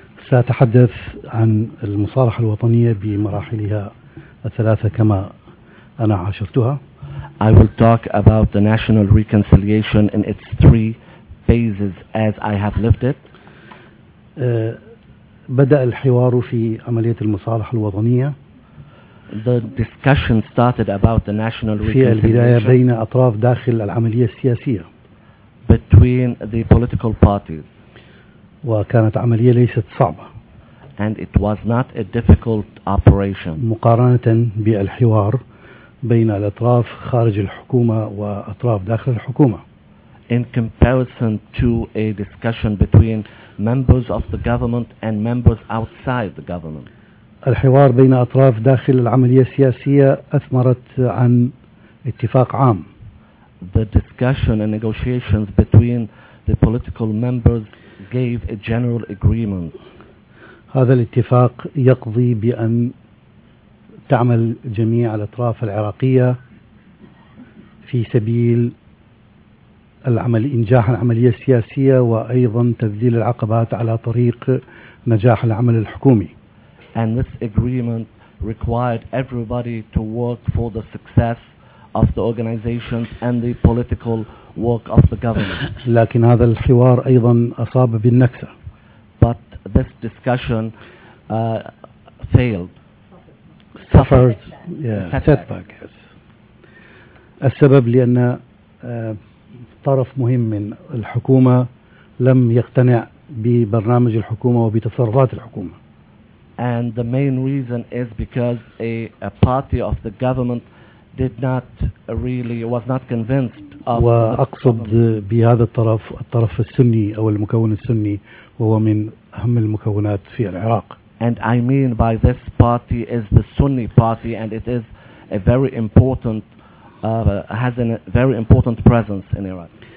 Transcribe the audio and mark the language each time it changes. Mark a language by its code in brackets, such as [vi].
[ar] سأتحدث عن المصالحة الوطنية بمراحلها الثلاثة كما أنا عاشرتها. [en] I will talk about the national reconciliation in its three phases as I have lived it. [ar] بدأ الحوار في عملية المصالحة الوطنية. [en] The discussion started about the national reconciliation. [ar] في البداية بين أطراف داخل العملية السياسية. [en] Between the political parties. [ar] وكانت عملية ليست صعبة. [en] And it was not a difficult operation. [ar] مقارنة بالحوار بين الأطراف خارج الحكومة وأطراف داخل الحكومة. [en] In comparison to a discussion between members of the government and members outside the government. [ar] الحوار بين أطراف داخل العملية السياسية أثمرت عن اتفاق عام. [en] The discussion and negotiations between the political members gave a general agreement. [ar] هذا الاتفاق يقضي بأن تعمل جميع الأطراف العراقية في سبيل العمل إنجاح العملية السياسية وأيضا تذليل العقبات على طريق نجاح العمل الحكومي. [en] And this agreement required everybody to work for the success of the organizations and the political work of the government. [ar] لكن هذا الحوار أيضا أصاب بالنكسة. [en] But this discussion failed. Suffered. Setback. Yes. [ar] السبب لأن طرف مهم من الحكومة لم يقتنع ببرنامج الحكومة وبتصرفات الحكومة. [en] And the main reason is because a party of the government did not really was not convinced of. [ar] وأقصد بهذا الطرف السني أو المكون السني وهو من أهم المكونات في العراق. [en] And I mean by this party is the Sunni party and it is a very important has a very important presence in Iraq.